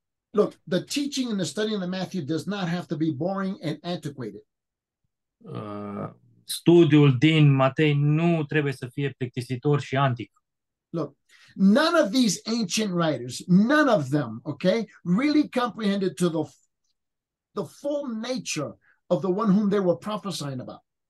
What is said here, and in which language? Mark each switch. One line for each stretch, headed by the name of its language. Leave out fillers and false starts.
English: Look, the teaching and the study of the Matthew does not have to be boring and antiquated.
Romanian: Studiul din Matei nu trebuie să fie plictisitor și antic.
English: Look, none of these ancient writers, none of them, okay, really comprehended to the full nature of the one whom they were prophesying about.